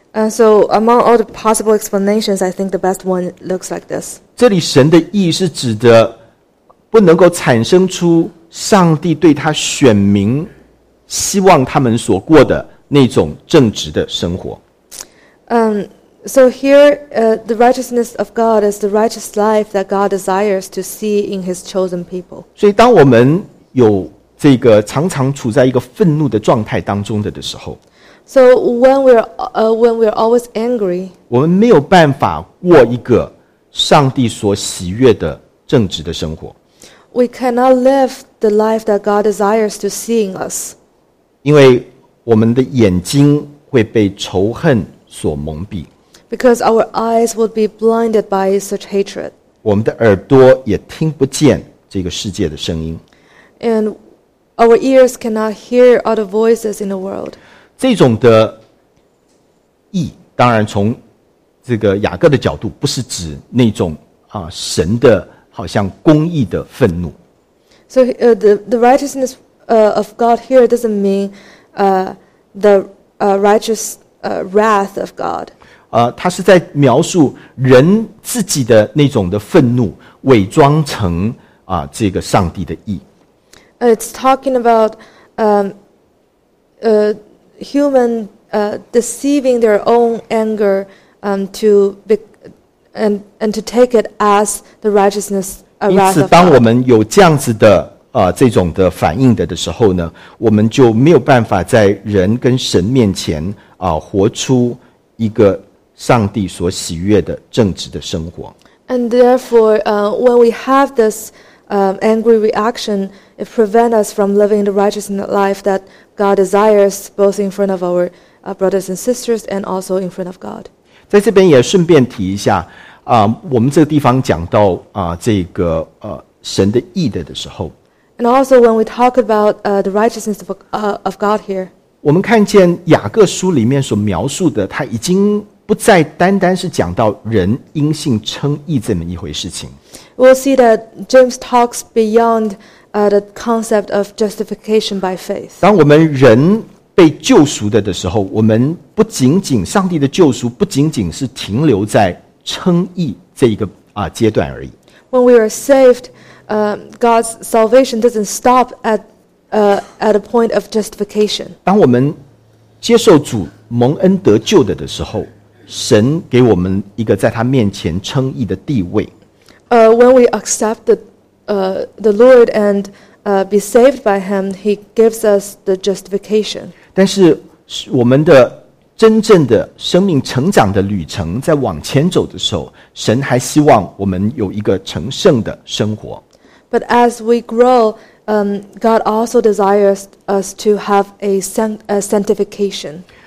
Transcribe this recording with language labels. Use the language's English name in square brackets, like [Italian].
[English] So among all the possible explanations, I think the best one looks like this. [Chinese] 这里神的义是指的不能够产生出上帝对他选民希望他们所过的那种正直的生活。 [English] So here, the righteousness of God is the righteous life that God desires to see in His chosen people. [Chinese] 所以，当我们有这个常常处在一个愤怒的状态当中的时候 [English] ，So when we're always angry, [Chinese] 我们没有办法过一个上帝所喜悦的正直的生活。 [English] We cannot live the life that God desires to see in us. [Chinese] 因为我们的眼睛会被仇恨所蒙蔽。 [English] Because our eyes would be blinded by such hatred. [Chinese] 我们的耳朵也听不见这个世界的声音。 [English] And our ears cannot hear other voices in the world. [Chinese] 这种的义，当然从这个雅各的角度，不是指那种神的好像公义的愤怒。 [English] So the righteousness of God here doesn't mean righteous wrath of God. [Chinese] 他是在描述人自己的那种的愤怒，伪装成这个上帝的义。 [English] It's talking about human deceiving their own anger to take it as the righteousness of God. [Chinese] 因此，当我们有这样子的这种的反应的时候呢，我们就没有办法在人跟神面前活出一个上帝所喜悦的正直的生活。 [English] And therefore, when we have this angry reaction, it prevents us from living the righteous life that God desires, both in front of our brothers and sisters, and also in front of God. [Chinese] 在这边也顺便提一下我们这个地方讲到这个神的义的时候。 [English] And also when we talk about the righteousness of God here. [Chinese] 我们看见雅各书里面所描述的，他已经不再单单是讲到人因信称义这么一回事情。 [English] We'll see that James talks beyond the concept of justification by faith. [Chinese] 当我们人被救赎的时候，我们不仅仅上帝的救赎不仅仅是停留在称义这一个阶段而已。 [English] When we are saved, God's salvation doesn't stop at a point of justification. [Chinese] 当我们接受主蒙恩得救的时候，神给我们一个在他面前称义的地位。 [English] When we accept the Lord and be saved by Him, He gives us the justification. [Chinese] 但是我们的真正的生命成长的旅程在往前走的时候，神还希望我们有一个成圣的生活。 [English] But as we grow, God also desires us to have a sanctification.